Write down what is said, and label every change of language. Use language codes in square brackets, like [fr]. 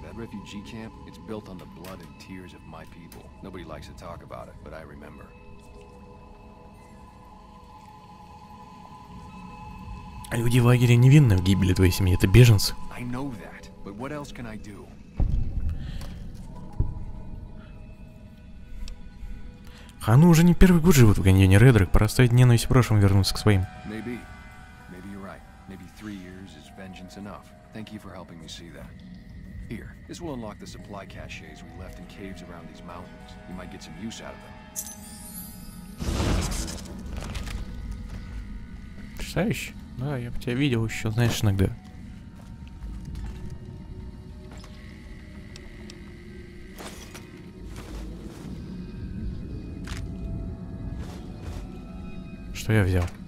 [en] That refugee camp, it's built on the blood and tears of my people. Nobody likes to talk about it, but I remember. [ru] А люди в лагере невинны в гибели твоей семьи. Это беженцы. [en] I know that, but what else can I do? [ru] Хану уже не первый год живут в каньоне Редрик, пора оставить ненависть в прошлом вернуться к своим. [en] Maybe you're right. Maybe 3 years is vengeance enough. Thank you for helping me see that. Here, this will unlock the supply caches we left in caves around these mountains. You might get some use out of them. [ru] Представляешь? Да, я бы тебя видел еще, знаешь, иногда. Что я взял?